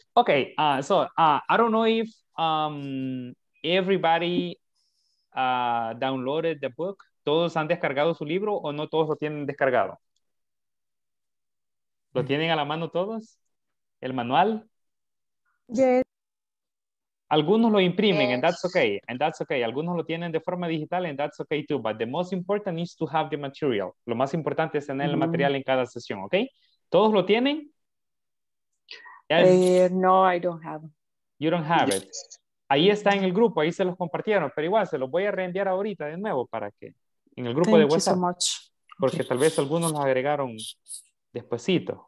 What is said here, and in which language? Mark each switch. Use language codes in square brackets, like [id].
[en] Okay, so I don't know if everybody downloaded the book. [es] ¿Todos han descargado su libro o no todos lo tienen descargado? ¿Lo tienen a la mano todos? ¿El manual? [en] Yes. [es] Algunos lo imprimen, [en] yes. And that's okay. And that's okay. [es] Algunos lo tienen de forma digital, [en] and that's okay too. But the most important is to have the material. [es] Lo más importante es tener el material en cada sesión, ¿ok? ¿Todos lo tienen? [en] Yes. No, I don't have it. You don't have it. [es] Ahí está en el grupo, ahí se los compartieron. Pero igual, se los voy a reenviar ahorita de nuevo para que... En el grupo [en] Thank [es] de WhatsApp. [en] You so much. [es] Porque tal vez algunos los agregaron despuesito.